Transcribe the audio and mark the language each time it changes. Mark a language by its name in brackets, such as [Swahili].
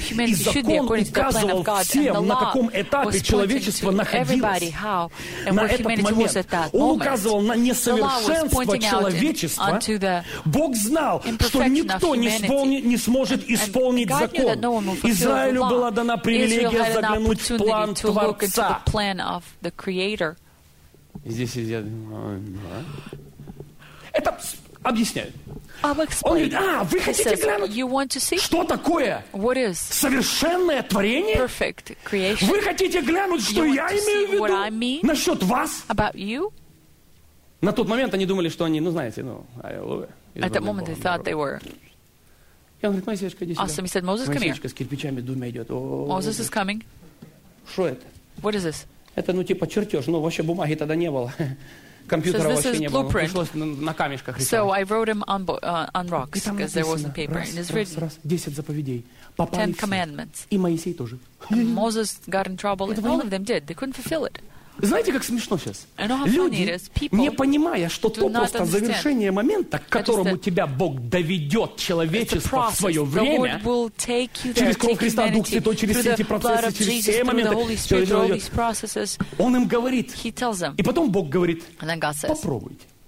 [Russian] И закон указывал всем, на каком этапе человечество находилось на этот момент. Он указывал на несовершенство человечества. Бог знал, что никто не сможет исполнить закон. Израилю была дана привилегия заглянуть в план [English] to look into the plan of the Creator. [Russian] Здесь я это объясняю. [English] I'll explain. [Russian] Он говорит, вы хотите глянуть, что такое совершенное творение? [English] Perfect creation. [Russian] Вы хотите глянуть, что я имею в виду насчет вас? [English] About you? [Russian] На тот момент они думали, что они, [English] At that moment they thought they were. [Russian] И он говорит, Моисеечка, иди сюда. [English] Awesome. He said, Moses, come here. [Russian] Моисеечка с кирпичами двумя идет. [English] Moses is coming. [Russian] Что это? [English] What is this? [Russian] Это, типа чертеж. Вообще бумаги тогда не было. Компьютера вообще не было. Пришлось на камешках рисовать. [English] So I wrote him on rocks, because there wasn't paper. [Russian] Раз, раз, раз. 10 заповедей. [English] Ten commandments. [Russian] И Моисей тоже. [English] Moses got in trouble, and all of them did. They couldn't fulfill it. [Russian] Знаете, как смешно сейчас? Люди, не понимая, что то просто завершение момента, к которому тебя Бог доведет человечество в свое время, через кровь Христа, Дух Святой, через все эти процессы, через все моменты, Он им говорит, и потом Бог говорит, попробуйте.